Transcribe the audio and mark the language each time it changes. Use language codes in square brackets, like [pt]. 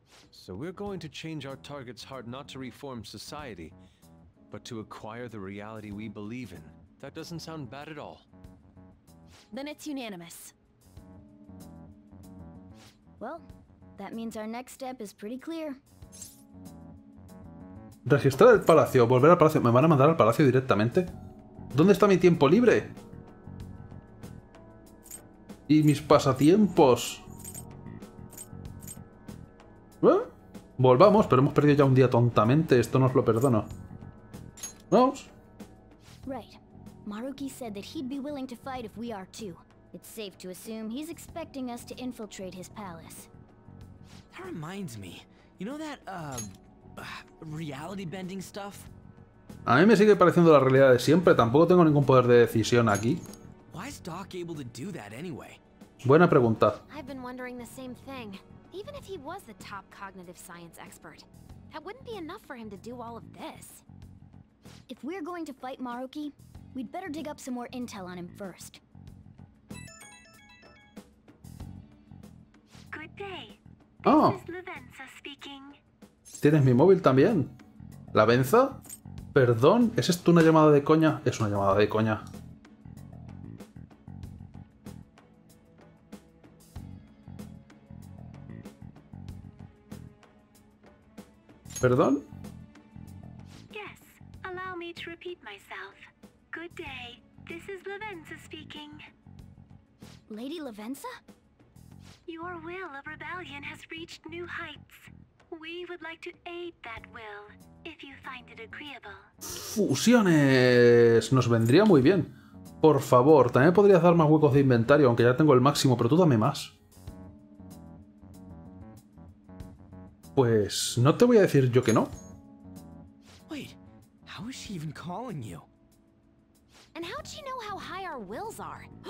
[en] So we're going to change our target's heart not to reform society, but to acquire the reality we believe in. That doesn't sound bad at all. Then it's unanimous. Well, that means our next step is pretty clear. [es] Registrar el palacio, volver al palacio. ¿Me van a mandar al palacio directamente? ¿Dónde está mi tiempo libre? ¿Y mis pasatiempos? ¿Eh? Volvamos, pero hemos perdido ya un día tontamente. Esto no os lo perdono. Vamos. [en] Right. Maruki said that he'd be willing to fight if we are too. It's safe to assume he's expecting us to infiltrate his palace. That reminds me. You know that reality bending stuff? [es] A mí me sigue pareciendo la realidad de siempre. Tampoco tengo ningún poder de decisión aquí. [en] Why is Doc able to do that anyway? [es] Buena pregunta. [en] I've been wondering the same thing. Even if he was the top cognitive science expert, that wouldn't be enough for him to do all of this. If we're going to fight Maruki, we'd better dig up some more intel on him first. Good day. Oh. This is Lavenza speaking. [es] ¿Tienes mi móvil también? ¿Lavenza? Perdón, ¿es esto una llamada de coña? Es una llamada de coña. ¿Perdón? [en] Yes, allow me to repeat myself. Good day. This is Lavenza speaking. Lady Lavenza? Your will of rebellion has reached new heights. We would like to aid that will, if you find it agreeable. [es] Fusiones. Nos vendría muy bien. Por favor, también podrías dar más huecos de inventario, aunque ya tengo el máximo, pero tú dame más. Pues no te voy a decir yo que no. [en] Wait, how is she even calling you? And how did she know how high our wills are?